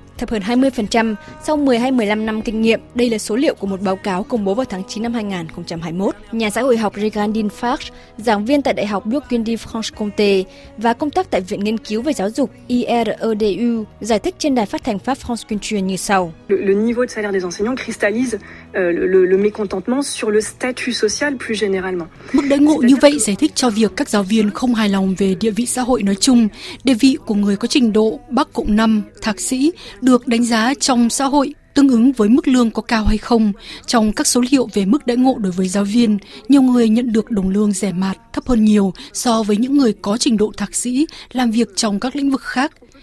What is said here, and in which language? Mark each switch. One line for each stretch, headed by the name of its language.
Vietnamese: Thấp hơn 20% sau 10 hay 15 năm kinh nghiệm. Đây là số liệu của một báo cáo công bố vào tháng 9 năm 2021. Nhà xã hội học Regandine Farge, giảng viên tại Đại học Bourgogne-Franche-Comté và công tác tại Viện Nghiên cứu về Giáo dục IREDU giải thích trên đài phát thanh Pháp France Culture như sau.
French: Le niveau de salaire des enseignants cristallise le mécontentement sur le statut social plus généralement.
Vietnamese: Mức đãi ngộ như vậy giải thích cho việc các giáo viên không hài lòng về địa vị xã hội nói chung, địa vị của người có trình độ Bắc cộng 5, thạc sĩ được đánh giá trong xã hội tương ứng với mức lương có cao hay không. Trong các số liệu về mức đãi ngộ đối với giáo viên, nhiều người nhận được đồng lương rẻ mạt thấp hơn nhiều so với những người có trình độ thạc sĩ làm việc trong các lĩnh vực khác.